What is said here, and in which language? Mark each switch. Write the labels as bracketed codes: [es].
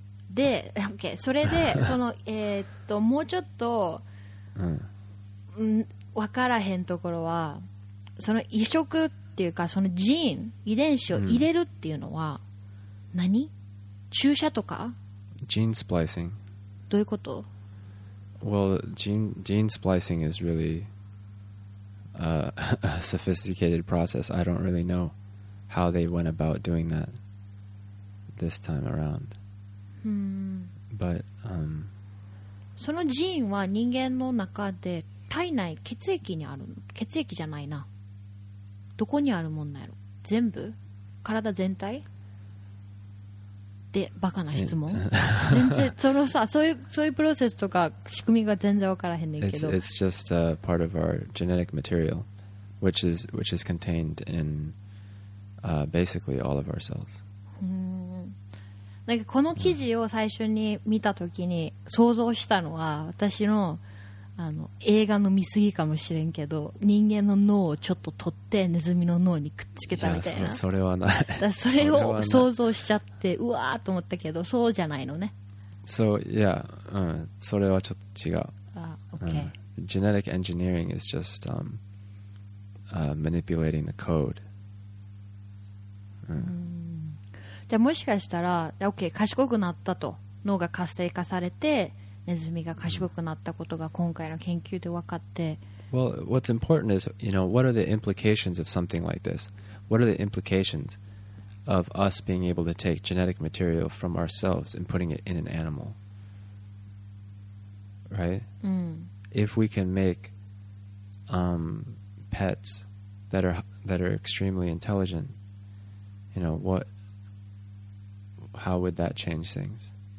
[ja] で、OK、それで、その、もうちょっと、分からへんところは、その移植っていうか、そのジーン、遺伝子を入れるっていうのは、何？注射とか？ジーンスプライシング。どういうこと？ [en] Well, gene splicing is really a sophisticated process. I don't really know how they went about doing that this time around. [ja] そのジーンは人間の中で体内血液にあるの、血液じゃないな、どこにあるもんなんやろ、全部体全体で、バカな質問全然そのさ、そういうプロセスとか仕組みが全然わからへんねんけど、 [en] it's just a part of our genetic material which is contained in、basically all of our cells。 [ja] なんかこの記事を最初に見たときに想像したのは、私のあの映画の見過ぎかもしれんけど、人間の脳をちょっと取ってネズミの脳にくっつけたみたいな。いや、それはない。だそれを想像しちゃってうわーと思ったけど、そうじゃないのね。そう、いや、うん、それはちょっと違う。 [en] Genetic engineering is just manipulating the code。 [ja] じゃあもしかしたら、 OK、 賢くなったと、脳が活性化されてネズミが賢くなったことが今回の研究で分かって。 [en] Well, what's important is, you know, what are the implications of something like this? What are the implications of us being able to take genetic material from ourselves and putting it in an animal? Right? If we can make pets that are extremely intelligent, you know, how would that change things?